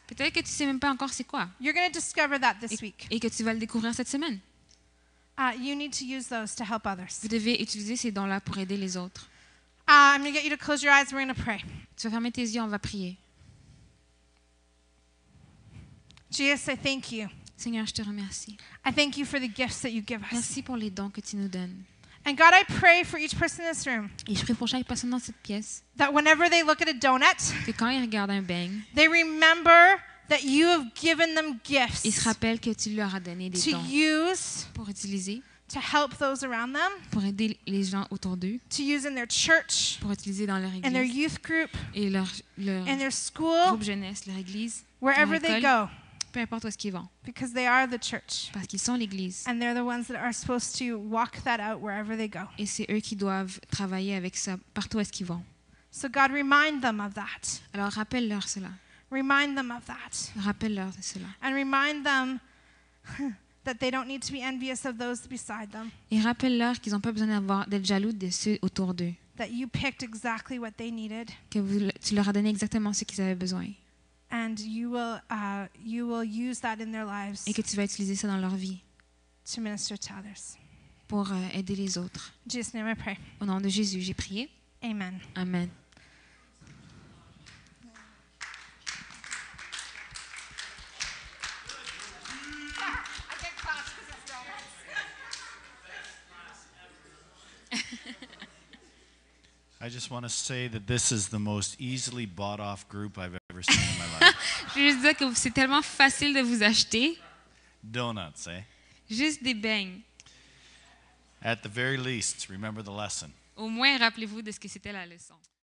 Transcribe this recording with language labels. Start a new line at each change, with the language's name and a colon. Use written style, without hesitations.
French: peut-être que tu sais même pas encore c'est quoi.
English: You're going to discover that this week.
French: Et que tu vas le découvrir cette semaine.
English: You need to use those to help others.
French: Vous devez utiliser ces dons-là pour aider les autres.
English: I'm going to get you to close your eyes. We're going to pray.
French: Tu vas fermer tes yeux. On va prier.
English: Jesus, I thank you.
French: Seigneur, je te remercie.
English: I thank you for the gifts that you give us.
French: Merci pour les dons que tu nous donnes.
English: And God, I pray for each person in this room.
French: Et je prie pour chaque personne dans cette pièce.
English: That whenever they look at a donut,
French: que quand ils regardent un beignet,
English: they remember that you have given them gifts.
French: Ils se rappellent que tu leur as donné des dons.
English: To use.
French: Pour utiliser.
English: To help those around them.
French: Pour aider les gens autour d'eux.
English: To use in their church.
French: Pour utiliser dans leur église.
English: And their youth group.
French: Et leur
English: and their school.
French: Groupe jeunesse, leur église.
English: Wherever
French: leur
English: they go.
French: Peu importe où est-ce qu'ils vont.
English: Because they are the church.
French: Parce qu'ils sont l'église.
English: And they're the ones that are supposed to walk that out wherever they go.
French: Et c'est eux qui doivent travailler avec ça partout où est-ce qu'ils vont.
English: So God, remind them of that.
French: Alors rappelle-leur cela.
English: Remind them of that.
French: Rappelle-leur de cela.
English: And remind them that they don't need to be envious of those beside them.
French: Et rappelle-leur qu'ils n'ont pas besoin d'être jaloux de ceux autour d'eux.
English: That you picked exactly what they needed.
French: Que tu leur as donné exactement ce qu'ils avaient besoin.
English: And you will use that in their lives.
French: Et que tu vas utiliser ça dans leur vie.
English: To minister to others.
French: Pour aider les autres.
English: In Jesus' name I pray.
French: Au nom de Jésus, j'ai prié.
English: Amen.
French: Amen.
English: I just want to say that this is the most easily bought off group I've ever seen in my life.
French: Je veux juste dire que c'est tellement facile de vous acheter.
English: Donuts, eh?
French: Juste des beignes.
English: At the very least, remember the lesson.
French: Au moins, rappelez-vous de ce que c'était la leçon.